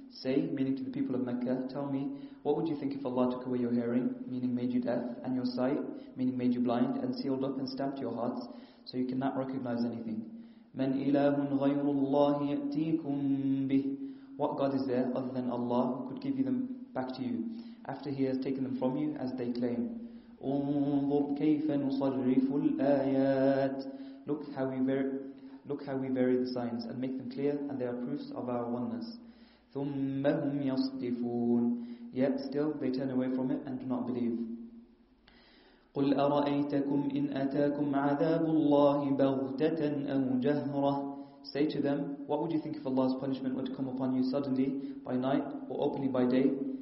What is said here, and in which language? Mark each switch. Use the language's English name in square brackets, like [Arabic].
[English] Say, meaning to the people of Mecca, tell me, what would you think if Allah took away your hearing, meaning made you deaf, and your sight, meaning made you blind, and sealed up and stamped your hearts, so you cannot recognize anything? [Arabic] مَنْ إِلَهٌ غَيْرُ اللَّهِ يَأْتِيكُمْ بِهِ. [English] What God is there other than Allah who could give you them back to you, after He has taken them from you, as they claim? [Arabic] انظر كيف نصرف الآيات. [English] Look how we Look how we vary the signs and make them clear, and they are proofs of our oneness. [Arabic] ثُمَّ هُمْ يَصْدِفُونَ [English] Yet still they turn away from it and do not believe. [Arabic] قُلْ أَرَأَيْتَكُمْ إِنْ أَتَاكُمْ عَذَابُ اللَّهِ بَغْتَةً أَوْ جَهْرَةً [English] Say to them, what would you think if Allah's punishment were to come upon you suddenly, by night or openly by day?